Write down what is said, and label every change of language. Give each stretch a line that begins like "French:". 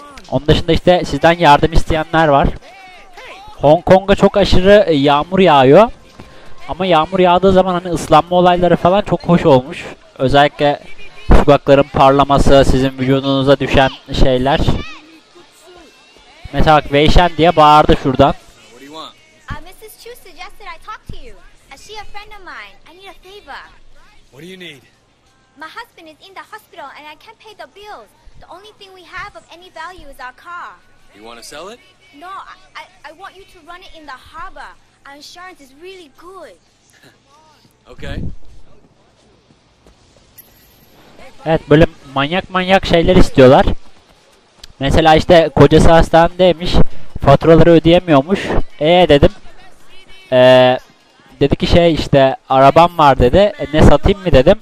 Turkish: Onun dışında işte sizden yardım isteyenler var. Hong Kong'a çok aşırı yağmur yağıyor. Ama yağmur yağdığı zaman hani ıslanma olayları falan çok hoş olmuş. Özellikle sokakların parlaması, sizin vücudunuza düşen şeyler. Mesela Wei Shen diye bağırdı şuradan.
English: Mrs. Chu suggested I talk to you. She a friend of mine. I need a favor. What do you need? My husband is in the hospital and I can't pay the bills. The only thing we have of any value is our car. You want to sell it? No, I want you to run it in the harbor. Our insurance is really good. Okay.
Turkish: Evet, böyle manyak manyak şeyler istiyorlar. Mesela işte kocası hastanedeymiş, faturaları ödeyemiyormuş. Dedim. Dedi ki şey işte arabam var dedi. Ne satayım mı dedim.